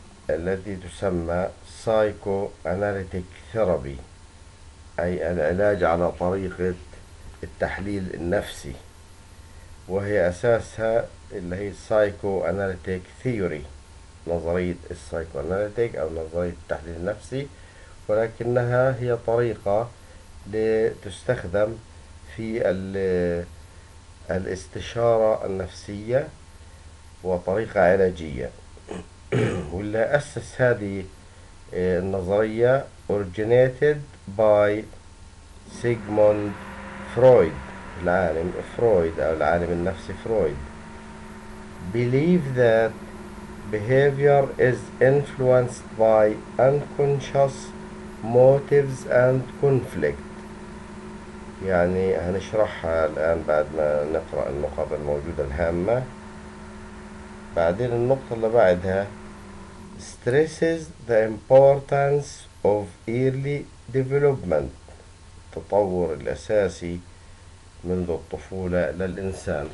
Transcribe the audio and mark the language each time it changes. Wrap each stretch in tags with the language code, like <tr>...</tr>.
<ar>التي تسمى سايكو أناليتيك ثيرابي، أي العلاج على طريقة التحليل النفسي، وهي أساسها اللي هي سايكو أناليتيك ثيوري، نظرية السايكو أناليتيك أو نظرية التحليل النفسي، ولكنها هي طريقة لتستخدم في الاستشارة النفسية وطريقة علاجية. واللي أسس هذه النظرية</ar> <en>originated by</en> <ar>سيغموند فرويد، العالم فرويد أو العالم النفسي فرويد.</ar> <en>believe that behavior is influenced by unconscious motives and conflict.</en> <ar>يعني هنشرحها الآن بعد ما نقرأ النقاط الموجودة الهامة. بعدين النقطة اللي بعدها</ar> <en>stresses the importance of early development،</en> <ar>التطور الأساسي منذ الطفولة للإنسان.</ar>